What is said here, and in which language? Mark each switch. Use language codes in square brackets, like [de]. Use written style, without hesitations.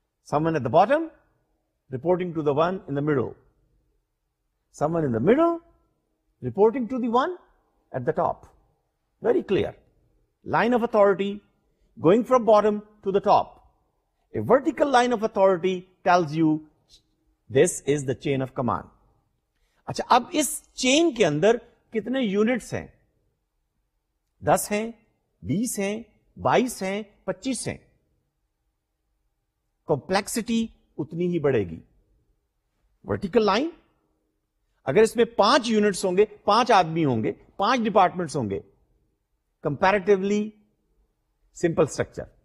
[en] Someone at the bottom reporting to the one in the middle, someone in the middle reporting to the one at the top. Very clear line of authority going from bottom to the top. A vertical line of authority tells you this is the chain of command. [ur] اچھا، اب اس چین کے اندر کتنے units ہیں؟ 10 ہیں، 20 ہیں، 22 ہیں، 25 ہیں. Complexity اتنی ہی بڑھے گی. ورٹیکل لائن، اگر اس میں 5 یونٹس ہوں گے، 5 آدمی ہوں گے، 5 ڈپارٹمنٹس ہوں گے، [en] Comparatively simple structure.